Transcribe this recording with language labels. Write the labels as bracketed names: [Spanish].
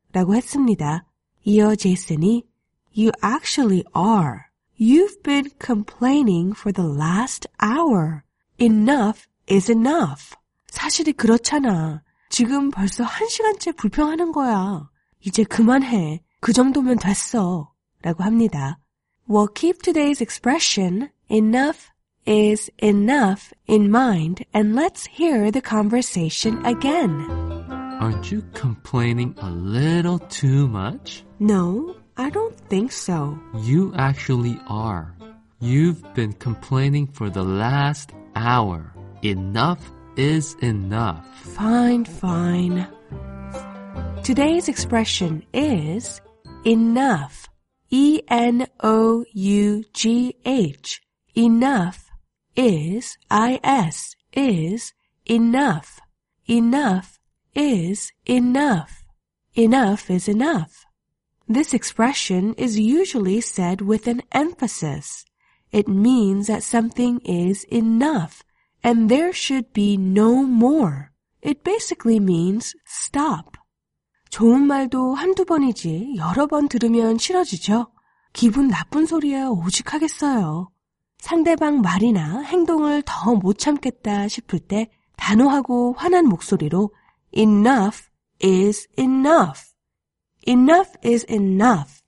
[Korean] 라고 했습니다. 이어 제이슨이 [English] You actually are. You've been complaining for the last hour. Enough is enough. [Korean] 사실이 그렇잖아. 지금 벌써 한 시간째 불평하는 거야. 이제 그만해. 그 정도면 됐어. 라고 합니다. [English] Well, keep today's expression, enough is enough, in mind, and let's hear the conversation again. Aren't you complaining a little too much? No, I don't think so. You actually are. You've been complaining for the last hour. Enough is enough. Fine, fine. Today's expression is enough. E-N-O-U-G-H. Enough is I-S. Is enough. Enough is enough. Enough is enough. This expression is usually said with an emphasis. It means that something is enough and there should be no more. It basically means stop. [Korean] 좋은 말도 한두 번이지 여러 번 들으면 싫어지죠. 기분 나쁜 소리야 오직 하겠어요. 상대방 말이나 행동을 더 못 참겠다 싶을 때 단호하고 화난 목소리로 [English] Enough is enough. Enough is enough.